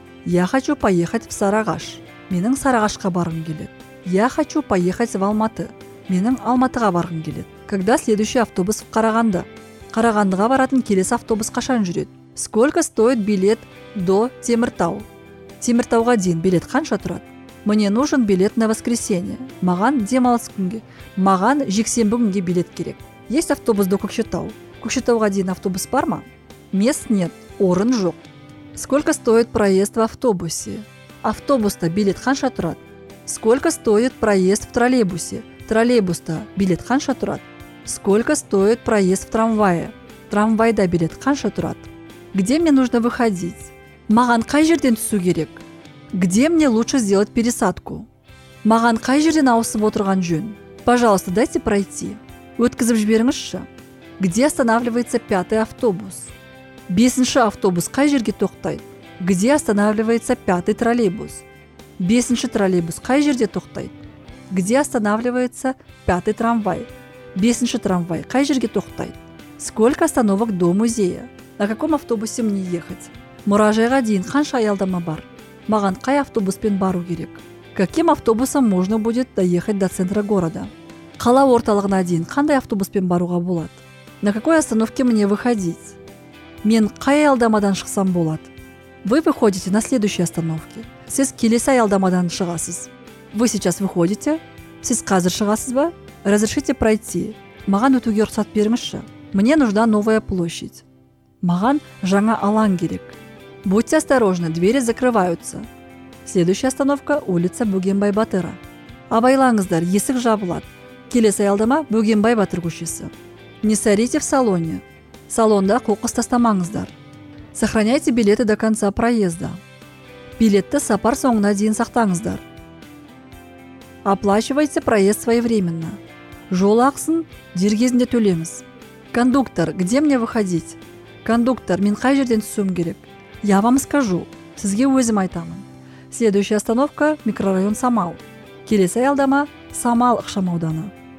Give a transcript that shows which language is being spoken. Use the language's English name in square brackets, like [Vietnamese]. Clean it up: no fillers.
[Russian] Я хочу поехать в Сарагаш. [Kazakh] Менің Сарагашқа барғым келеді. [Russian] Я хочу поехать в Алматы. [Kazakh] Менің Алматыға барғым келеді. [Russian] Когда следующий автобус в Қарағанды? [Kazakh] Қарағандыға баратын келесі автобус қашан жүреді? [Russian] Сколько стоит билет до Теміртау? [Kazakh] Теміртауға дейін билет қанша тұрады? [Russian] Мне нужен билет на воскресенье. [Kazakh] Маған демалыс күнге. Маған жексенбі күнге билет керек. [Russian] Есть автобус до Көкшетау? [Kazakh] Көкшетауға дейін автобус бар ма? [Russian] Мест нет, [Kazakh] орын жоқ. [Russian] Сколько стоит проезд в автобусе? [Kazakh] Автобуста билет қанша тұрады? [Russian] Сколько стоит проезд в троллейбусе? [Kazakh] Троллейбуста билет қанша тұрады? [Russian] Сколько стоит проезд в трамвае? [Kazakh] Трамвайда билет қанша тұрады? [Russian] Где мне нужно выходить? [Kazakh] Маған қай жерден түсу керек? [Russian] Где мне лучше сделать пересадку? [Kazakh] Маған қай жерден ауысып отырған жөн? [Russian] Пожалуйста, дайте пройти. [Kazakh] Өткізіп жіберіңізші. [Russian] Где останавливается пятый автобус? [Kazakh] Бесінші автобус қай жерге тоқтайды? [Russian] Где останавливается пятый троллейбус? [Kazakh] Бесінші троллейбус қай жерде тоқтайды? [Russian] Где останавливается пятый трамвай? [Kazakh] Бесінші трамвай қай жерге тоқтайды? [Russian] Сколько остановок до музея? На каком автобусе мне ехать? [Kazakh] Мұражайға дейін қанша аялдама бар? Маған қай автобуспен бару керек? [Russian] Каким автобусом можно будет доехать до центра города? [Kazakh] Қала орталығына дейін қандай автобуспен баруға болады? [Russian] На какой остановке мне выходить? [Kazakh] Мен қай аялдамадан шықсам болады? [Russian] Вы выходите на следующей остановке. [Kazakh] Сіз келесі аялдамадан шығасыз. [Russian] Вы сейчас выходите. [Kazakh] Сіз қазір шығасыз ба? [Russian] Разрешите пройти. [Kazakh] Маған өтуге рұқсат беріңізші. [Russian] Мне нужна новая площадь. [Kazakh] Маған жаңа алаң керек. [Russian] Будьте осторожны, двери закрываются. Следующая остановка – улица Бөгенбай Батыра. [Kazakh] Абайлаңыздар, есік жабылады. Келесі аялдама – Бөгенбай Батыр көшесі. [Russian] Не сорите в салоне. [Kazakh] Салонда қоқыс тастамаңыздар. [Russian] Сохраняйте билеты до конца проезда. [Kazakh] Билетті сапар соңына дейін сақтаңыздар. [Russian] Оплачивайте проезд своевременно. [Kazakh] Жол ақысын дер кезінде төлеңіз. [Russian] Кондуктор, где мне выходить? [Kazakh] Кондуктор, мен қай жерден түсуім керек? [Russian] Я вам скажу. [Kazakh] Сізге өзім айтамын. [Russian] Следующая остановка – микрорайон Самал. [Kazakh] Келесі аялдама – Самал ықшамауданы.